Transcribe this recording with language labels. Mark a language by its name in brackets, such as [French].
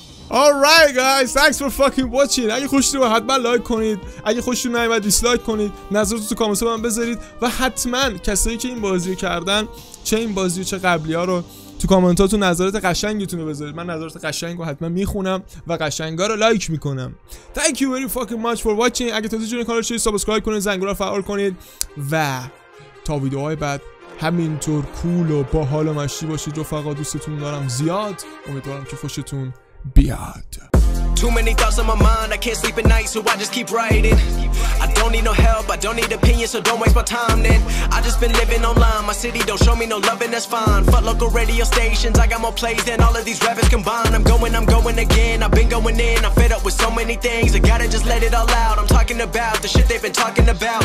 [English] Alright guys, thanks for fucking watching. [Persian] اگه خوشتون اومد حتما لایک کنید. اگه خوشتون نیومد دیسلایک کنید. نظرتون تو کامنت من بذارید و حتما کسایی که این بازی رو کردن، چه این بازی و چه قبلی ها رو تو کامنتاتون نظرات قشنگتون رو بذارید. من نظرات قشنگ رو حتما میخونم و قشنگا رو لایک میکنم. [English] Thank you very fucking much for watching. [Persian] اگه تازه جوین کانال شدید سابسکرایب کنید، زنگوله رو فعال کنید و تا ویدیوهای بعد همینطور cool و باحال و مشتی باشید. رفقا دوستتون دارم زیاد. امیدوارم که خوشتون بیاد. [English] Too many thoughts on my mind, I can't sleep at night, so I just keep writing. I don't need no help, I don't need opinions, so don't waste my time then. I just been living online, my city don't show me no loving, that's fine. Fuck local radio stations, I got more plays than all of these rappers combined. I'm going again, I've been going in, I'm fed up with so many things. I gotta just let it all out, I'm talking about the shit they've been talking about.